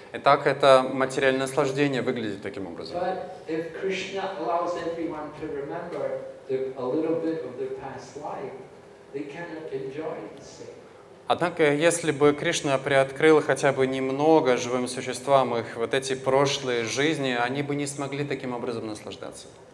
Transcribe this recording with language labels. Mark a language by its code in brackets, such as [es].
[ru] Итак, это материальное наслаждение выглядит таким образом. [en] But if Krishna allows everyone to remember a little bit of their past life, they cannot enjoy it. [ru] Однако, если бы Кришна приоткрыл хотя бы немного живым существам их вот эти прошлые жизни, они бы не смогли таким образом наслаждаться.